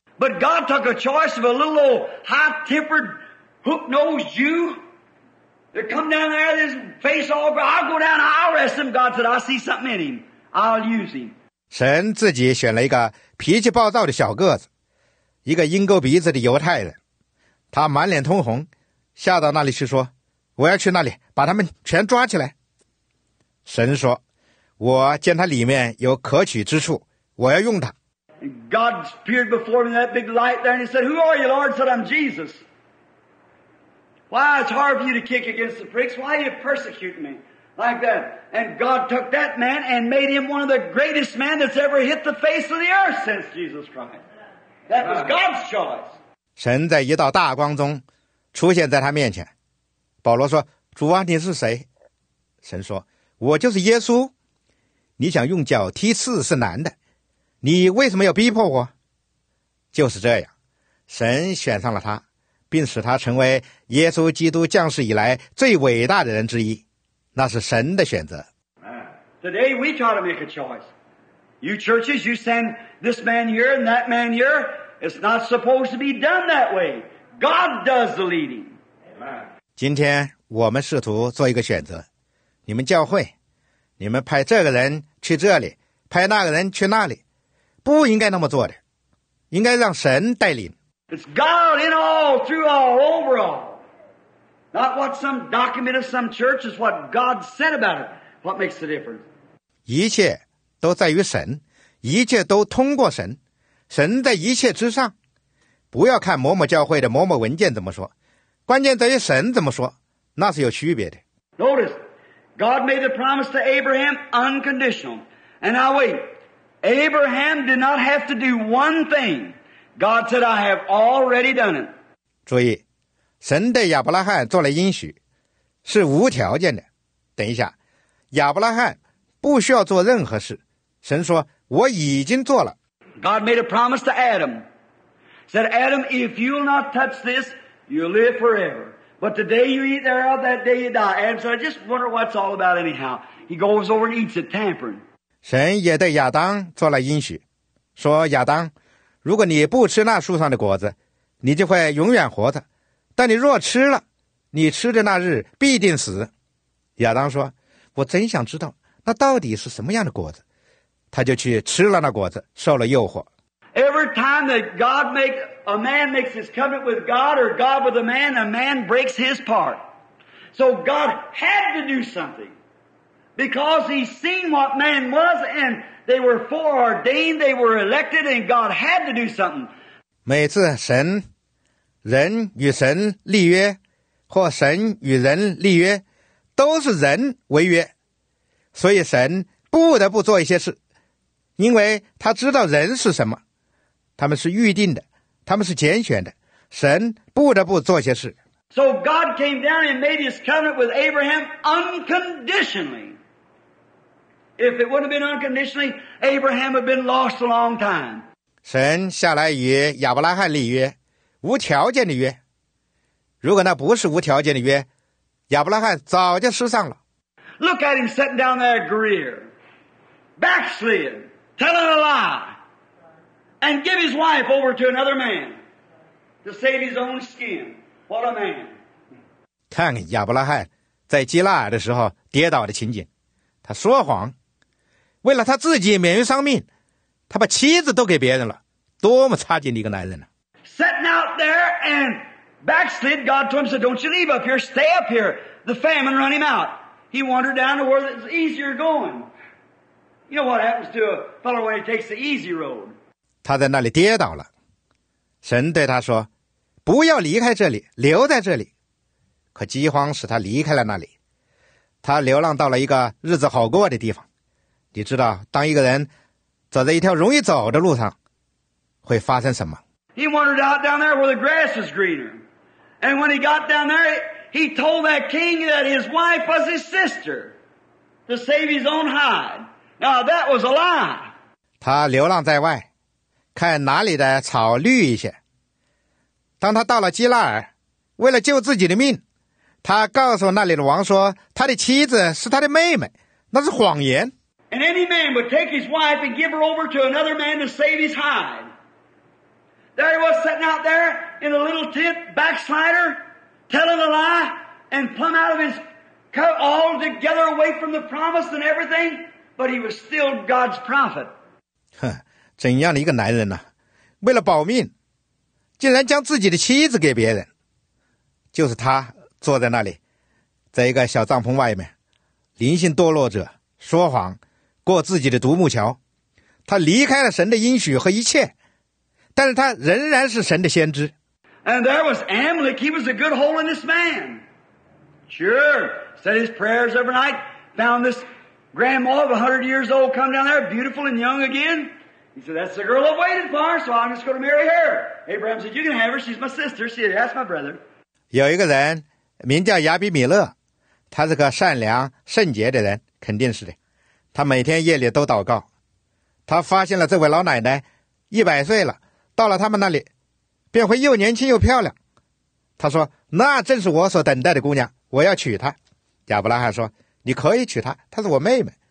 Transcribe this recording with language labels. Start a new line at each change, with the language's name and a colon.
English: But God took a choice of a little old hot-tempered hook-nosed Jew. They come down there, his face all gray. I'll go down, I'll arrest him. God said, I see something in him. I'll use him.
Chinese: 神自己选了一个脾气暴躁的小个子，一个鹰钩鼻子的犹太人，他满脸通红，下到那里去说，我要去那里把他们全抓起来。神说，我见他里面有可取之处，我要用他。
English: God appeared before me in that big light there, and he said, who are you, Lord? I said, I'm Jesus. Why, it's hard for you to kick against the pricks. Why are you persecuting me? Like that. And God took that man and made him one of the greatest men that's ever hit the face of the earth since Jesus Christ. That was God's choice.
Chinese: 神在一道大光中出现在他面前。保罗说，主啊，你是谁？神说，我就是耶稣。你想用脚踢刺是难的，你为什么要逼迫我？就是这样，神选上了他，并使他成为耶稣基督降世以来最伟大的人之一，那是神的选择。
English: Today we try to make a choice. You churches, you send this man here and that man here. It's not supposed to be done that way. God does the leading.
Chinese: 今天我们试图做一个选择，你们教会，你们派这个人去这里，派那个人去那里，不应该那么做的，应该让神带领。
English: It's God in all, through all, over all. Not what some document of some church is what God said about it. What makes the difference?
Chinese: 一切都在于神，一切都通过神，神在一切之上。不要看某某教会的某某文件怎么说，关键在于神怎么说，那是有区别的。
English: Notice God made the promise to Abraham unconditional. And now wait, Abraham did not have to do one thing. God said, I have already done it.
Chinese: 注意，神对亚伯拉罕做了应许，是无条件的。等一下，亚伯拉罕不需要做任何事，神说我已经做了。
English: God made a promise to Adam. Said, Adam, if you'll not touch this, you'll live forever. But the day you eat thereof, that day you die. Adam said, I just wonder what's all about anyhow. He goes over and eats it, tampering.
Chinese: 神也对亚当做了应许，说亚当，如果你不吃那树上的果子，你就会永远活着。但你若吃了，你吃的那日必定死。亚当说，我真想知道那到底是什么样的果子，他就去吃了那果子，受了诱惑。
English: Every time that God makes a man makes his covenant with God or God with a man breaks his part. So God had to do something because he seen what man was and they were foreordained, they were elected, and God had to do something.
Chinese: 每次神人与神立约或神与人立约都是人为约，所以神不得不做一些事，因为他知道人是什么，他们是预定的，他们是拣选的，神不得不做些事。
English: So God came down and made his covenant with Abraham unconditionally. If it wouldn't have been unconditionally, Abraham had been lost a long time.
Chinese: 神下来与亚伯拉罕立约，无条件的约，如果那不是无条件的约，亚伯拉罕早就失丧了。
English: Look at him sitting down there Greer, backslid, telling a lie, and give his wife over to another man to save his own skin. What a man.
Chinese: 看亚伯拉罕在基拉尔的时候跌倒的情景，他说谎，为了他自己免于丧命，他把妻子都给别人了，多么差劲的一个男人呢。
English: Sitting out there and backslid, God told him, said, don't you leave up here, stay up here. The famine run him out. He wandered down to where it's easier going. You know what happens to a fellow when he takes the easy road.
Chinese: 他在那里跌倒了，神对他说，不要离开这里，留在这里。可饥荒使他离开了那里，他流浪到了一个日子好过的地方。你知道，当一个人走在一条容易走的路上，会发生什么？
English: He wandered out down there where the grass is greener. And when he got down there, he told that king that his wife was his sister to save his own hide. Now that was a lie.
Chinese: 他流浪在外，看哪里的草绿一些。当他到了基拉尔，为了救自己的命，他告诉那里的王说，他的妻子是他的妹妹，那是谎言。
English: And any man would take his wife and give her over to another man to save his hide. There he was sitting out there in a little tent, backslider, telling a lie, and plumb out of his coat altogether away from the promise and everything, but he was still God's prophet.
Chinese: 怎样的一个男人呢、啊、为了保命竟然将自己的妻子给别人。就是他坐在那里，在一个小帐篷外面，灵性堕落者，说谎，过自己的独木桥。他离开了神的应许和一切，但是他仍然是神的先知。
English: And there was Amalek, he was a good holiness man. Sure, said his prayers every night, found this grandma of 100 years old come down there, beautiful and young again. He said, that's the girl I've waited for, so I'm just going to marry her. Abraham said, you can have her, she's my sister. She said, that's my brother.
Chinese: 有一个人名叫亚比米勒，他是个善良圣洁的人，肯定是的。他每天夜里都祷告，他发现了这位老奶奶100岁了，到了他们那里便会又年轻又漂亮。他说，那正是我所等待的姑娘，我要娶她。亚伯拉罕说，你可以娶她，她是我妹妹。